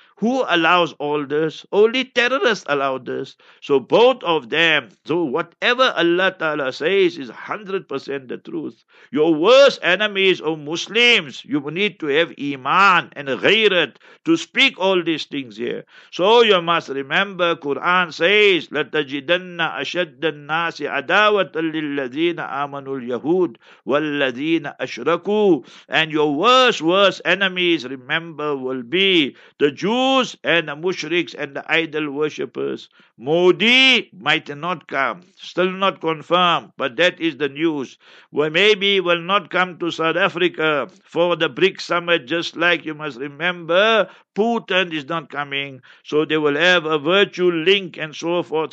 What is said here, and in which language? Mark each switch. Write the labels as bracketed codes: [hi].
[en] Who allows all this? Only terrorists allow this. So both of them, so whatever Allah Ta'ala says is 100% the truth. Your worst enemies are Muslims. You need to have iman and ghairat to speak all these things here. So you must remember, Quran says, [ar] لَتَجِدَنَّ أَشَدَّ النَّاسِ عَدَاوَةً لِلَّذِينَ آمَنُوا الْيَهُودِ وَالَّذِينَ أَشْرَكُوا. [en] And your worst enemies, remember, will be the Jews and the mushriks and the idol worshippers. Modi might not come, still not confirmed, but that is the news. Well, maybe will not come to South Africa for the BRICS summit, just like you must remember Putin is not coming, so they will have a virtual link and so forth.